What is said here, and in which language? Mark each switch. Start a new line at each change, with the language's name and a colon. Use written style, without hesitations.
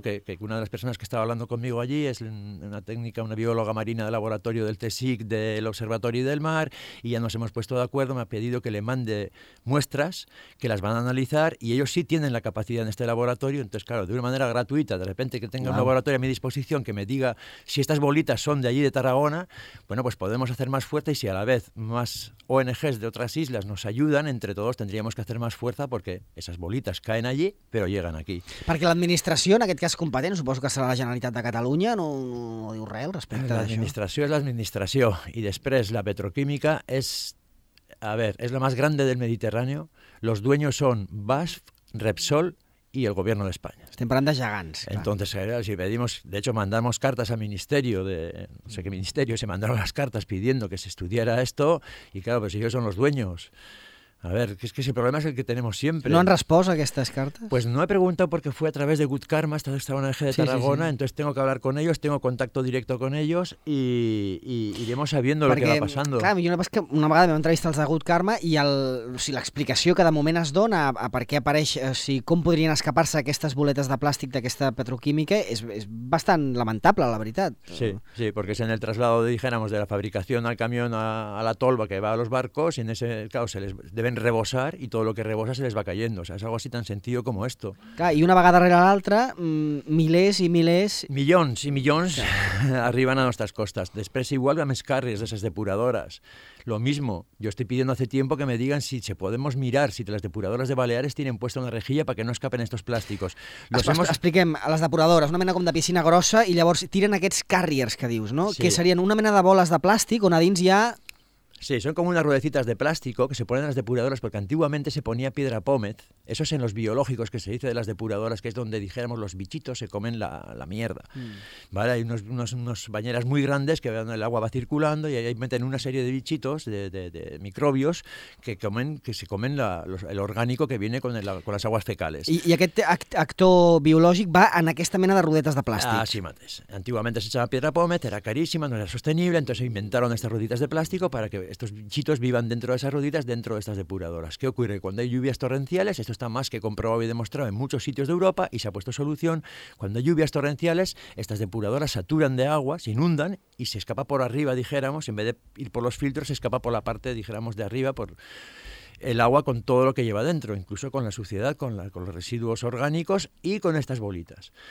Spanish: Que una de las personas que estaba hablando conmigo allí es una técnica, una bióloga marina del laboratorio del CSIC, del Observatorio del Mar, y ya nos hemos puesto de acuerdo, me ha pedido que le mande muestras, que las van a analizar, y ellos sí tienen la capacidad en este laboratorio. Entonces, claro, de una manera gratuita, de repente que tenga un laboratorio a mi disposición que me diga si estas bolitas son de allí, de Tarragona, bueno, pues podemos hacer más fuerte, y si a la vez más ONG de otras islas nos ayudan, entre todos tendríamos que hacer más fuerza porque esas bolitas caen allí, pero llegan aquí.
Catalan: Perquè l'administració, en aquest cas competent, suposo que serà la Generalitat de Catalunya, no diu res al respecte d'això. L'administració és l'administració i després la petroquímica és, a veure, és la més gran del Mediterrani.
Spanish: Los dueños son BASF, Repsol y el gobierno de España.
Catalan: Estem parlant de gegants.
Spanish: Entonces, claro. Si pedimos, de hecho, mandamos cartas al ministerio, no sé qué ministerio, se mandaron las cartas pidiendo que se estudiara esto, y claro, pues ellos son los dueños. A ver, es que ese problema es el que tenemos siempre.
Catalan: ¿No han respost aquestes cartes?
Spanish: Pues no he preguntado porque fue a través de Good Karma, esta ONG de Tarragona, sí. Entonces tengo que hablar con ellos, tengo contacto directo con ellos y iremos sabiendo
Catalan: perquè,
Spanish: lo que va pasando.
Catalan: Clar, jo no pas que una vegada vam entrevistar els de Good Karma i l'explicació que de moment es dona a per què apareix, o sigui, com podrien escapar-se aquestes boletes de plàstic d'aquesta petroquímica és bastant lamentable, la veritat.
Spanish: Sí, sí, porque es en el traslado, dijéramos, de la fabricación al camión a la tolva que va a los barcos y en ese, claro, se les deben rebosar y todo lo que rebosa se les va cayendo. O sea, es algo así tan sencillo como esto.
Catalan: Clar, i una vegada rere l'altra, milers i milers... Millons i milions arriben a nostres costes. Després, igual, amb escàrries de ses depuradores.
Spanish: Lo mismo, yo estoy pidiendo hace tiempo que me digan si se podemos mirar si las depuradoras de Baleares tienen puesta una rejilla para que no escapen estos plásticos.
Catalan: Expliquem, a les depuradores, una mena com de piscina grossa i llavors tiren aquests carriers que dius, no? Sí. Que serien una mena de boles de plàstic on a dins hi ha...
Spanish: Sí, son como unas ruedecitas de plástico que se ponen en las depuradoras porque antiguamente se ponía piedra pómez. Eso es en los biológicos que se dice de las depuradoras, que es donde, dijéramos, los bichitos se comen la mierda. Mm. ¿Vale? Hay unos bañeras muy grandes que el agua va circulando y ahí meten una serie de bichitos, de microbios, que se comen el orgánico que viene con las aguas fecales.
Catalan: I aquest actor biològic va en aquesta mena de ruedetas de plàstic. Ah, sí, mates.
Spanish: Antiguamente se echaba piedra pómez, era carísima, no era sostenible, entonces inventaron estas rueditas de plástico para que estos bichitos vivan dentro de esas rueditas, dentro de estas depuradoras. ¿Qué ocurre? Cuando hay lluvias torrenciales, esto está más que comprobado y demostrado en muchos sitios de Europa y se ha puesto solución, cuando hay lluvias torrenciales, estas depuradoras saturan de agua, se inundan y se escapa por arriba, dijéramos, en vez de ir por los filtros, se escapa por la parte, dijéramos, de arriba, por el agua con todo lo que lleva dentro, incluso con la suciedad, con los residuos orgánicos y con estas bolitas.